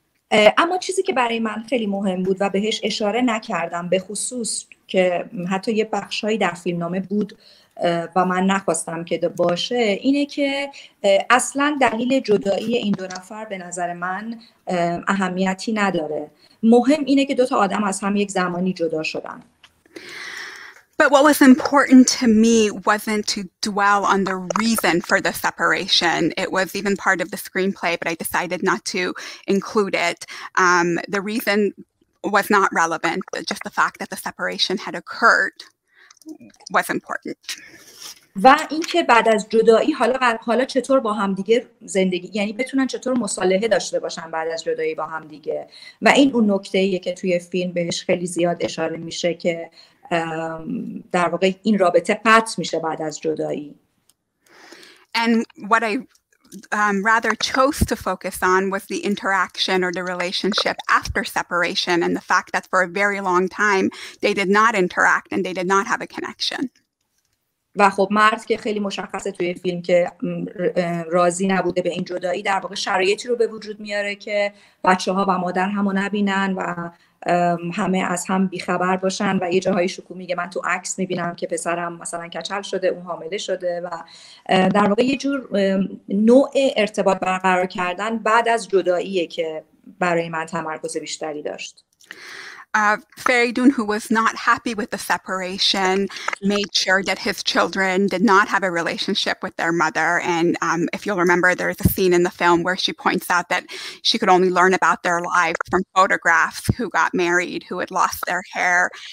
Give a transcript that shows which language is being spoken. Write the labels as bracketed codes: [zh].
[fa] اما چیزی که برای من خیلی مهم بود و بهش اشاره نکردم به خصوص که حتی یه بخشایی در فیلمنامه بود و من نخواستم که باشه اینه که اصلا دلیل جدایی این دو نفر به نظر من اهمیتی نداره مهم اینه که دوتا آدم از هم یک زمانی جدا شدن [en] But what was important to me wasn't to dwell on the reason for the separation. It was even part of the screenplay, but I decided not to include it. The reason was not relevant, but just the fact that the separation had occurred was important. [fa] و اینکه بعد از جدایی حالا چطور با هم دیگه زندگی یعنی بتونن چطور مصالحه داشته باشن بعد از جدایی با هم دیگه و این اون نکته ایه که توی فیلم بهش خیلی زیاد اشاره میشه که در واقع این رابطه قطع میشه بعد از جدایی [en] And what I rather chose to focus on was the interaction or the relationship after separation and the fact that for a very long time they did not interact and they did not have a connection. [fa] و خب مرد که خیلی مشخصه توی فیلم که راضی نبوده به این جدایی در واقع شرایطی رو به وجود میاره که بچه ها و مادر همو نبینن و همه از هم بیخبر باشن و یه جاهای شکو میگه من تو عکس میبینم که پسرم مثلا کچل شده اون حامله شده و در واقع یه جور نوع ارتباط برقرار کردن بعد از جداییه که برای من تمرکز بیشتری داشت [en] Feridun, who was not happy with the separation, made sure that his children did not have a relationship with their mother. And if you'll remember, there's a scene in the film where she points out that she could only learn about their lives from photographs, who got married, who had lost their hair.